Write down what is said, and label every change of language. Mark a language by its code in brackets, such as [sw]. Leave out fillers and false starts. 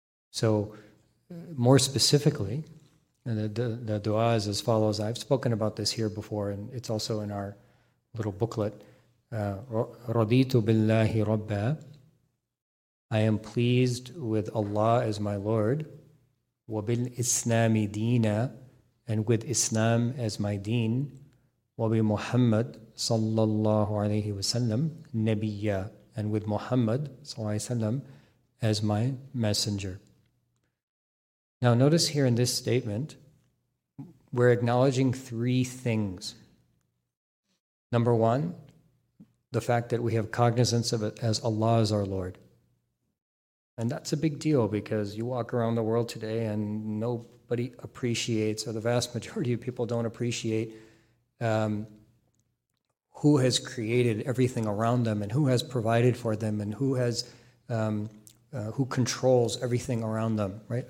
[en] So, more specifically, the dua is as follows. I've spoken about this here before, and it's also in our little booklet. [ar] Raditu billahi rabba. [en] I am pleased with Allah as my Lord. [ar] وَبِالْ إِسْلَامِ دِينَ [en] and with Islam as my deen, [ar] وَبِمُحَمَّدْ صَلَّى اللَّهُ عَلَيْهِ وَسَلَّمْ نَبِيَّ [en] and with Muhammad [ar] صلى الله عليه وسلم [en] as my messenger. Now notice here in this statement, we're acknowledging three things. Number one, the fact that we have cognizance of it as Allah is our Lord. And that's a big deal, because you walk around the world today and nobody appreciates, or the vast majority of people don't appreciate who has created everything around them and who has provided for them and who has who controls everything around them, right?